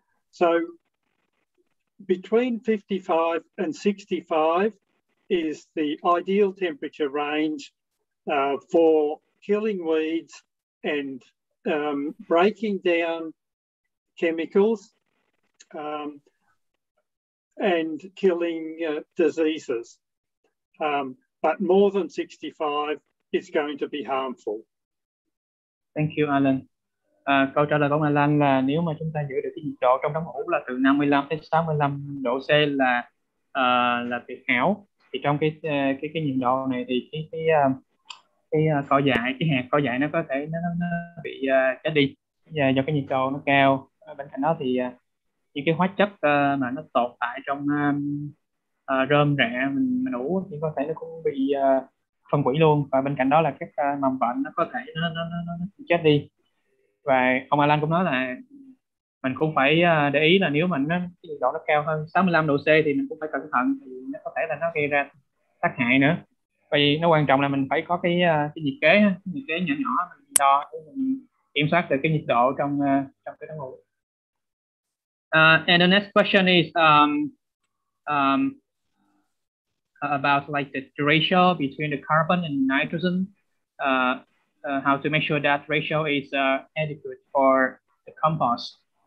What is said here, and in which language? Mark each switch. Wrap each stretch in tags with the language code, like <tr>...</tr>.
<en>So between 55 and 65 is the ideal temperature range for killing weeds and breaking down chemicals and killing diseases. But more than 65 is going to be harmful. Thank you, Alan.</en> <vi>Câu trả lời của Alan là nếu mà chúng ta giữ được cái nhiệt độ trong đống ủ là từ 55 đến 65 độ C là tuyệt hảo, thì trong cái nhiệt độ này thì cái cỏ dại, cái hạt cỏ dại nó có thể nó bị chết đi do cái nhiệt độ nó cao. Bên cạnh đó thì những cái hóa chất mà nó tồn tại trong rơm rạ mình ủ thì có thể nó cũng bị phân hủy luôn, và bên cạnh đó là các mầm bệnh nó có thể nó chết đi. Và ông Alan cũng nói là mình cũng phải để ý là nếu mà nó nhiệt độ nó cao hơn 65 độ C thì mình cũng phải cẩn thận, thì nó có thể là nó gây ra tác hại nữa. Vì nó quan trọng là mình phải có cái nhiệt kế, nhiệt kế nhỏ nhỏ mình đo để mình kiểm soát được cái nhiệt độ trong trong cái đống ủ.</vi> <en>And the next question is about like the ratio between the carbon and nitrogen. How to make sure that ratio is adequate for the compost.</en>